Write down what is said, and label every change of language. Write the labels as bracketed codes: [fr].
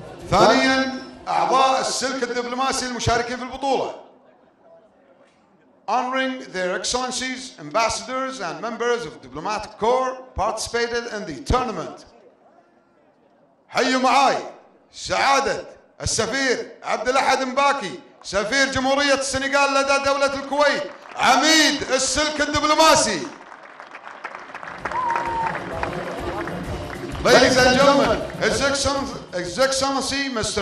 [ar] ثانياً أعضاء السلك الدبلوماسي المشاركين في البطولة [en] Honoring their excellencies, ambassadors and members of the diplomatic corps participated in the tournament. [ar] حيوا معاي سعادة السفير عبد الأحد مباكي سفير جمهورية السنغال لدى دولة الكويت عميد السلك الدبلوماسي. [en] Ladies and gentlemen, His Excellency Mr.